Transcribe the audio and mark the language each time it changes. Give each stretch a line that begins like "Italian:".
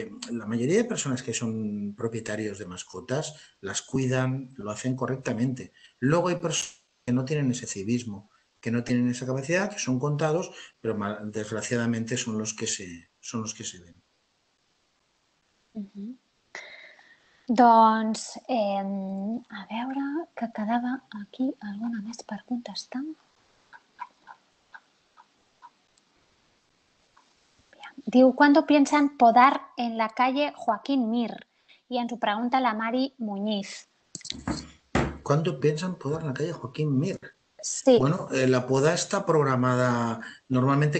Spanish: La mayoría de personas que son propietarios de mascotas las cuidan, lo hacen correctamente. Luego hay personas que no tienen ese civismo, que no tienen esa capacidad, que son contados, pero desgraciadamente son los que se ven.
Catalan: Doncs, a veure, que quedava aquí alguna més per contestar.
Spanish: Diu: ¿cuándo piensan podar en la calle Joaquín Mir?
Catalan: I ens ho pregunta la Mari Muñiz.
Spanish: ¿Cuándo piensan podar la calle Joaquín Mir? Sí. Bueno, la poda está programada normalmente.